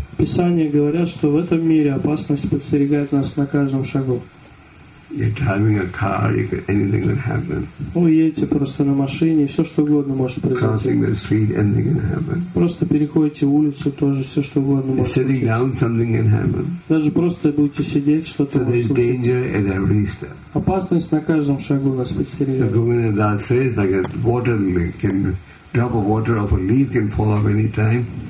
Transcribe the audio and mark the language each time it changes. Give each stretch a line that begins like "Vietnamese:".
Russian: Писания говорят, что в этом мире опасность подстерегает нас на каждом шагу.
English: You're driving a car, you could, anything could happen.
Russian: Вы едете просто на машине, все что угодно может произойти.
English: Crossing the street, anything can happen.
Russian: Просто переходите улицу, тоже все что угодно может случиться.
English: Sitting down, something can happen.
Russian: Даже просто будете сидеть, что-то может случиться.
English: So there's danger at every step.
Russian: Опасность на каждом шагу нас подстерегает.
English: So Govinda Das says, like a water leak can drop of water off a leaf can fall off any time.